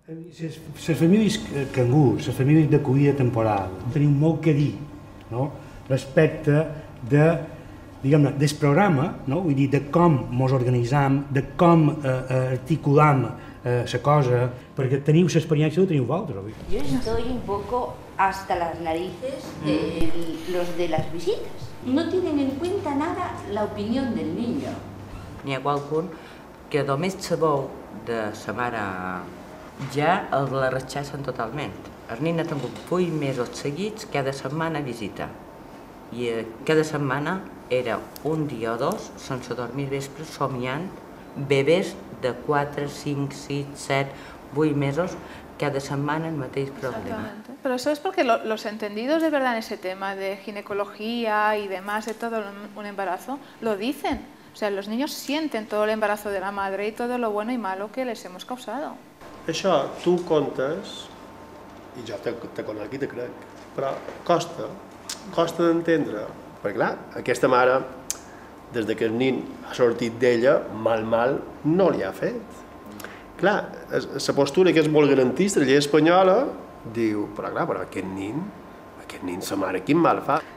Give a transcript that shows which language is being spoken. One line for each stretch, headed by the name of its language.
Catalan: Les famílies cangú, les famílies d'acollida temporal, tenim molt que dir, no?, respecte de... diguem-ne, del programa, no?, vull dir, de com ens organitzem, de com articulem la cosa, perquè teniu l'experiència, ho teniu vosaltres, oi?
Spanish: Yo estoy un poco hasta las narices de los de las visitas. No tienen en cuenta nada la opinión del niño.
Catalan: N'hi ha qualcun que només se veu de sa mare ja el la rechacen totalment. El nen ha tingut 8 mesos seguits cada setmana a visitar. I cada setmana era un dia o dos sense dormir vespre somiant bebès de 4, 5, 6, 7, 8 mesos cada setmana el mateix problema. Però això és perquè
Spanish: los entendidos de verdad en ese tema de ginecología y demás de todo un embarazo lo dicen. O sea, los niños sienten todo el embarazo de la madre y todo lo bueno y malo que les hemos causado.
Catalan: Això tu comptes, i jo te conec i te crec, però costa, costa d'entendre. Perquè clar, aquesta mare, des que el nen ha sortit d'ella, mal no li ha fet. Clar, la postura que és molt garantista, la llei espanyola, diu, però clar, però aquest nen, sa mare, quin mal fa.